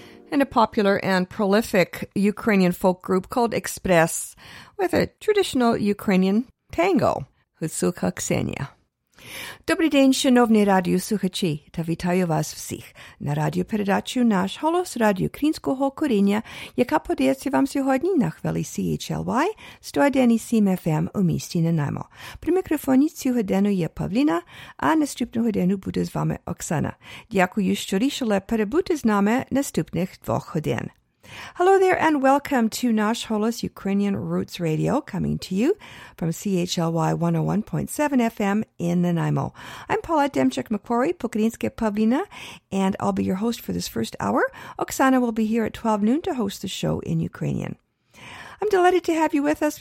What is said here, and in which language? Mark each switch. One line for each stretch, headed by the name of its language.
English: And a popular and prolific Ukrainian folk group called Express with a traditional Ukrainian tango, Гуцулко, Ксеня.
Ukrainian: Добрий день, шановні радіослухачі, та вітаю вас всіх на радіопередачі «Наш голос» радіо Українського коріння, яка подається вам сьогодні на хвилі CHLY 101.7 FM у місті Нанаймо. При мікрофоні цю годину є Павліна, а наступну годину буде з вами Оксана. Дякую, що рішили перебути з нами наступних двох годин.
English: Hello there and welcome to Nash Holos Ukrainian Roots Radio, coming to you from CHLY 101.7 FM in Nanaimo. I'm Paula Demchuk-McQuarrie, Pokrinske Pavlina, and I'll be your host for this first hour. Oksana will be here at 12 noon to host the show in Ukrainian. I'm delighted to have you with us.